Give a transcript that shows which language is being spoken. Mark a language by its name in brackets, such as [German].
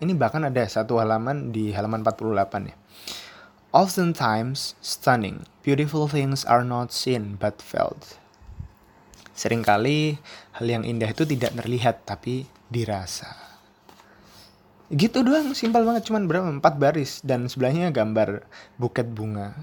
[Indonesian] Ini bahkan ada satu halaman di halaman 48 ya. [English] Oftentimes stunning, beautiful things are not seen but felt. [Indonesian] Seringkali hal yang indah itu tidak terlihat tapi dirasa. Gitu doang, simpel banget, cuman berapa? 4 baris dan sebelahnya gambar buket bunga.